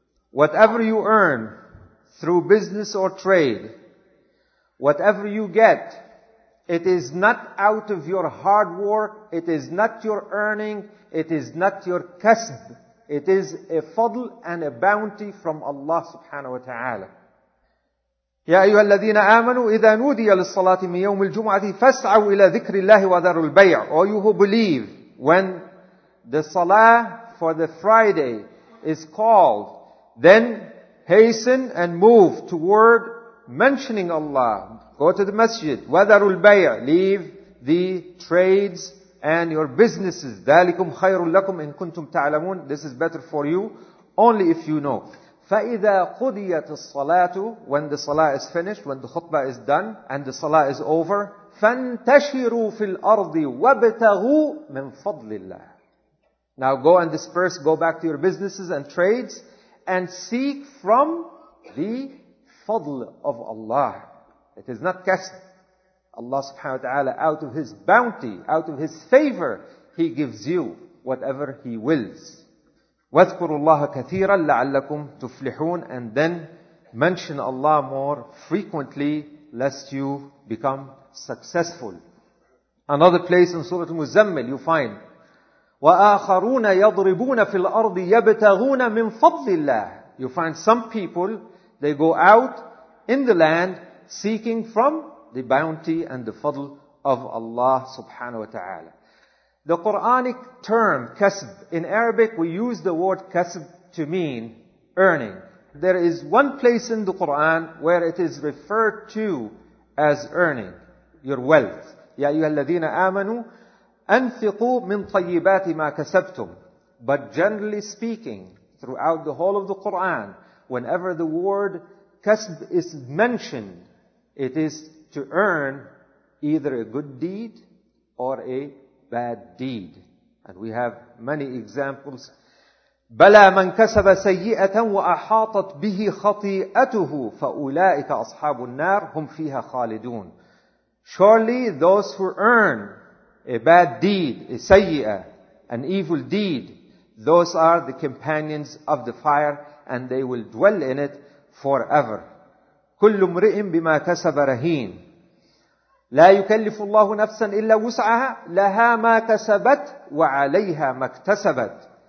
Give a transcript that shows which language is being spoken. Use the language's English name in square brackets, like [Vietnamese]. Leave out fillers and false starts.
[English] Whatever you earn through business or trade, whatever you get, it is not out of your hard work, it is not your earning, it is not your kasb. It is a fadl and a bounty from Allah subhanahu wa ta'ala. [Arabic] يَا أَيُّهَا الَّذِينَ آمَنُوا إِذَا نُودِيَ لِلصَّلَاةِ مِنْ يَوْمِ الْجُمْعَةِ فَاسْعَوْا إِلَى ذِكْرِ اللَّهِ وَذَرُوا الْبَيْعِ [English] All you who believe, when The salah for the Friday is called. Then hasten and move toward mentioning Allah. Go to the masjid. [Arabic] وَذَرُوا الْبَيْعِ. [English] Leave the trades and your businesses. [Arabic] ذَلِكُمْ خَيْرٌ لَكُمْ إِن كُنْتُمْ تَعْلَمُونَ. [English] This is better for you only if you know. [Arabic] فَإِذَا قُضِيَتِ الصَّلَاةُ. [English] When the salah is finished, when the khutbah is done and the salah is over. [Arabic] فَانْتَشِرُوا فِي الْأَرْضِ وَابْتَغُوا مِنْ فَضْلِ اللَّهِ. [English] Now go and disperse, go back to your businesses and trades and seek from the fadl of Allah. It is not kasb. Allah subhanahu wa ta'ala, out of His bounty, out of His favor, He gives you whatever He wills. [Arabic] وَاذْكُرُوا اللَّهَ كَثِيرًا لَعَلَّكُمْ تُفْلِحُونَ. [English] And then mention Allah more frequently lest you become successful. Another place in Surah Al-Muzammil you find, [Arabic] وآخرون يضربون في الأرض يبتغون من فضل الله. [English] You find some people, they go out in the land seeking from the bounty and the fadl of Allah subhanahu wa ta'ala. The Quranic term kasb, in Arabic we use the word kasb to mean earning. There is one place in the Quran where it is referred to as earning your wealth. [Arabic] يا أيها الذين آمنوا أنفقوا من طيبات ما كسبتم. [English] But generally speaking, throughout the whole of the Quran, whenever the word kasb is mentioned, it is to earn either a good deed or a bad deed. And we have many examples. [Arabic] بلى من كسب سيئة وأحاطت به خطيئته فأولئك أصحاب النار هم فيها خالدون. [English] Surely those who earn a bad deed, a sayyi'ah, an evil deed, those are the companions of the fire and they will dwell in it forever. [Arabic] كُلُّ مْرِئٍ بِمَا كَسَبَ رَهِينٌ لَا يُكَلِّفُ اللَّهُ نَفْسًا إِلَّا وُسْعَهَا لَهَا مَا كَسَبَتْ وَعَلَيْهَا مَا اكْتَسَبَتْ.